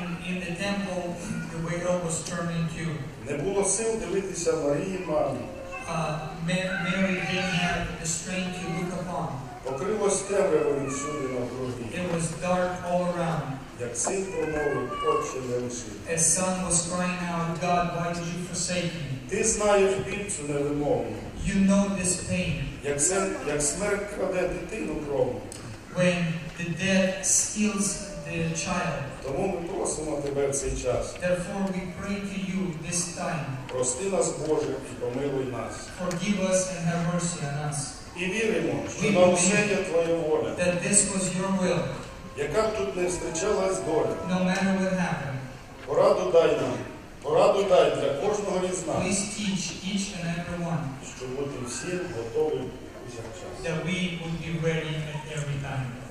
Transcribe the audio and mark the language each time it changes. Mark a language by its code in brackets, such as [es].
[en] In the temple, the veil was turned into. [uk] Не було сил дивитися Марії, мамі. [en] Mary didn't have the strength to look upon. [uk] Покрилось темрявою всюди навкруги. [en] It was dark all around. [uk] Як син промовив, Отче, не лиши. [en] A son was crying out, God, why did you forsake me? [uk] Ти знаєш біль цю невимовну. [en] You know this pain. [uk] Як смерть краде дитину кров. [en] When the death steals the child. [uk] Тому ми просимо тебе в цей час. [en] Therefore we pray to you this time. [uk] Прости нас, Боже, і помилуй нас. [en] Forgive us and have mercy on us. [uk] І віримо, що на усе є твоя воля. [en] That this was your will. [uk] Яка б тут не зустрічалась доля. [en] No matter what happened. [uk] Пораду дай нам. Пораду дай для кожного із нас. [en] Please teach each and every one. [uk] Щоб бути всі готові у всяк час. [en] That we would be ready at every time.